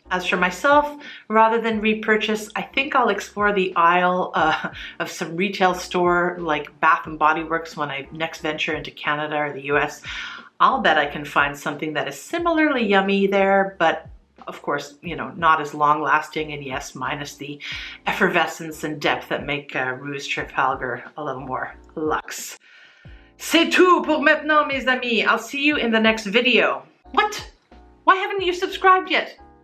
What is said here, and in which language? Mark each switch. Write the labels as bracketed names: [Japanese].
[English] As for myself, rather than repurchase, I think I'll explore the aisle of some retail store like Bath & Body Works when I next venture into Canada or the US. I'll bet I can find something that is similarly yummy there, but of course, you know, not as long-lasting, and yes, minus the effervescence and depth that make Rouge Trafalgar a little more luxe. [French] C'est tout pour maintenant, mes amis. [English] I'll see you in the next video. What? Why haven't you subscribed yet?